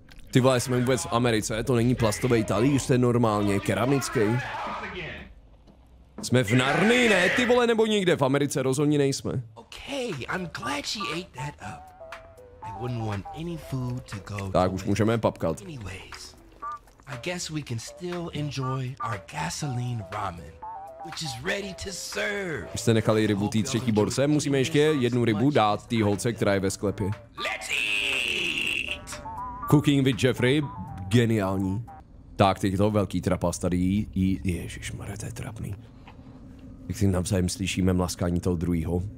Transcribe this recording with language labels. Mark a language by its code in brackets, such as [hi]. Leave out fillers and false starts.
[cs] Ty vole, jsme vůbec v Americe, to není plastový talíř, to je normálně keramický. Jsme v Narnii, ne ty vole, nebo nikde, v Americe rozhodně nejsme. [en] Okay, I'm glad she ate that up. I wouldn't want any food to go. [cs] Tak už můžeme papkat. [en] Anyways, I guess we can still enjoy our gasoline ramen, which is ready to serve. [cs] Už jste nechali rybu tý třetí borce, musíme ještě jednu rybu dát tý holce, která je ve sklepě. [en] Let's eat! [cs] Cooking with Jeffrey, geniální. Tak, teď to velký trapas tady jí. Ježišmarja, to je trapný. Tak si navzájem slyšíme mlaskání toho druhého.